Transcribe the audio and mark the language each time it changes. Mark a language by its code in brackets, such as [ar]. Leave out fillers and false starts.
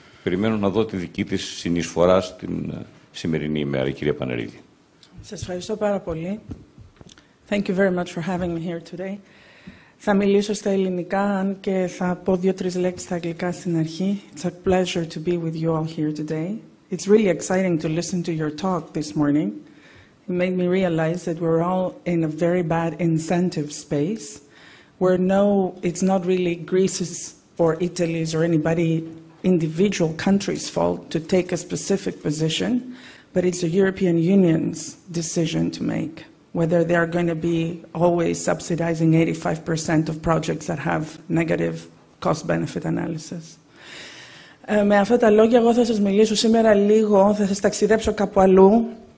[el] Περιμένω να δω τη δική της συνεισφορά στην σημερινή ημέρα, κυρία Παναρίδη. Σας ευχαριστώ πάρα πολύ. [en] Thank you very much for having me here today. [el] Θα μιλήσω στα ελληνικά, αν και θα πω δύο-τρεις λέξεις στα αγγλικά στην αρχή. [en] It's a pleasure to be with you all here today. It's really exciting to listen to your talk this morning. It made me realize that we're all in a very bad incentive space, where it's not really Greece's or Italy's or anybody individual country's fault to take a specific position, but it's the European Union's decision to make. Whether they are going to be always subsidizing 85% of projects that have negative cost-benefit analysis. [el] Με αυτά τα λόγια, εγώ θα σας μιλήσω σήμερα λίγο, θα σας ταξιδέψω κάπου αλλού.